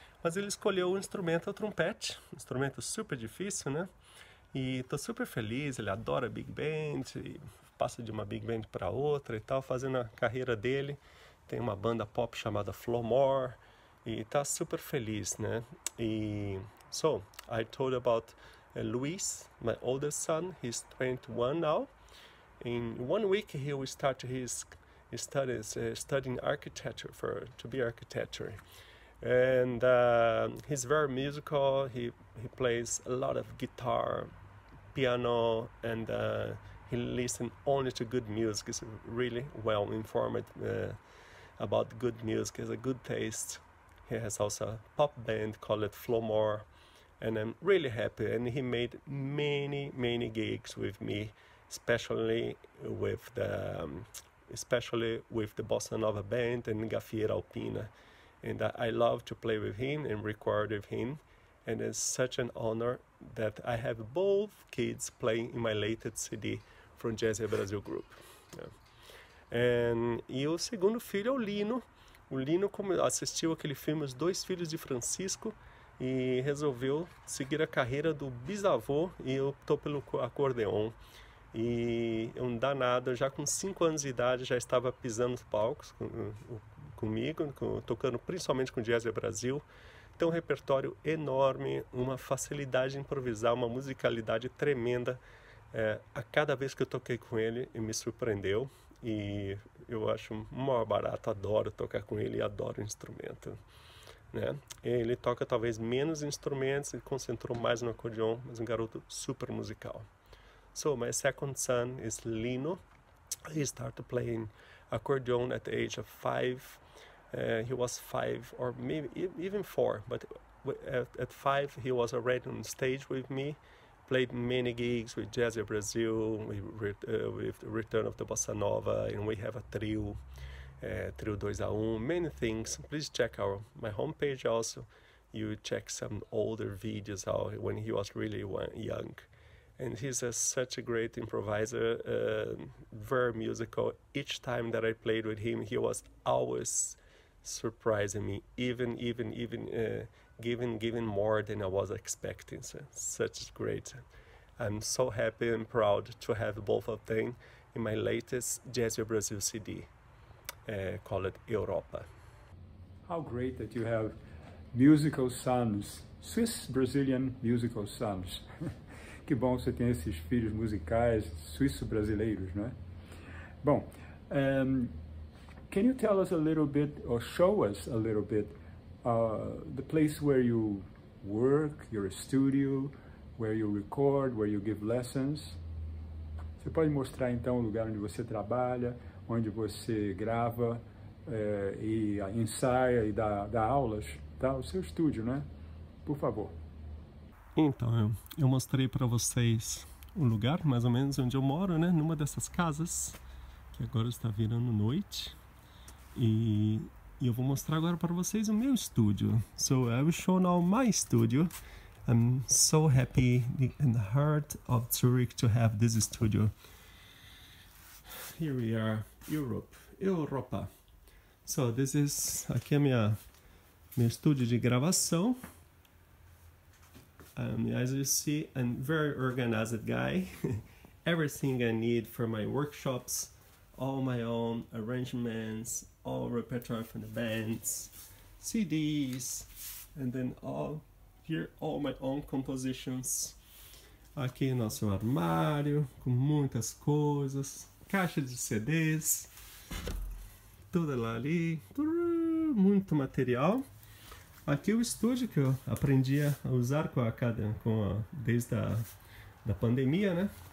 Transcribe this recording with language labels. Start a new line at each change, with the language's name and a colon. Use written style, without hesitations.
Portuguese: Mas ele escolheu o instrumento, o trompete, um instrumento super difícil, né? E tô super feliz, ele adora Big Band, passa de uma Big Band para outra e tal, fazendo a carreira dele. tem uma banda pop chamada Flowmore e tá super feliz, né?
English: E so I told about Luis, my oldest son. He's 21 now. In 1 week, he will start his studies, studying architecture to be architecture. And he's very musical. He plays a lot of guitar, piano, and he listens only to good music. He's really well informed about good music. He has a good taste. He has also a pop band called Flowmore. And I'm really happy. And he made many, many gigs with me, especially with the Bossa Nova band and Gafieira Alpina. And I love to play with him and record with him. And it's such an honor that I have both kids playing in my latest CD from Jazz Brasil Group.
Portuguese: E o segundo filho é o Lino. O Lino assistiu aquele filme Os Dois Filhos de Francisco e resolveu seguir a carreira do bisavô e optou pelo acordeon. E um danado, já com 5 anos de idade, já estava pisando nos palcos comigo, tocando principalmente com Jazz Brasil. Tem um repertório enorme, uma facilidade de improvisar, uma musicalidade tremenda. A cada vez que eu toquei com ele, me surpreendeu. E eu acho o maior barato, adoro tocar com ele e adoro o instrumento, né? Ele toca talvez menos instrumentos e concentrou mais no acordeon, mas um garoto super musical.
English: So, my second son is Lino. He started playing accordion at the age of 5. He was 5 or maybe even 4, but at 5 he was already on stage with me, played many gigs with Jazz Brazil, with the Return of the Bossa Nova, and we have a trio, Trio 2-1, many things. Please check my homepage also. You check some older videos when he was really young. And he's such a great improviser, very musical. Each time that I played with him, he was always surprising me, even giving more than I was expecting. So, such great. I'm so happy and proud to have both of them in my latest Jazz Brasil CD, called Europa. How great that you have musical sons, Swiss-Brazilian musical sons.
Portuguese: Que bom você tem esses filhos musicais, suíço-brasileiros, não é?
English: Bom, can you tell us a little bit, or show us a little bit, the place where you work, your studio, where you record, where you give lessons?
Portuguese: Você pode mostrar então o lugar onde você trabalha, onde você grava, e ensaia e dá aulas, tá? O seu estúdio, né? Por favor. Então, eu mostrei para vocês um lugar, mais ou menos onde eu moro, né? Numa dessas casas, que agora está virando noite. E eu vou mostrar agora para vocês o meu estúdio.
English: So I will show now my studio. I'm so happy in the heart of Zurich to have this studio. Here we are, Europa. So this is, aqui é meu estúdio de gravação. As you see, I'm very organized guy. Everything I need for my workshops, all my own arrangements, all repertoire from the bands, CDs, and then all my own compositions.
Portuguese: Aqui nosso armário com muitas coisas, caixa de CDs, tudo lá ali, muito material. Aqui o estúdio que eu aprendi a usar desde da pandemia, né?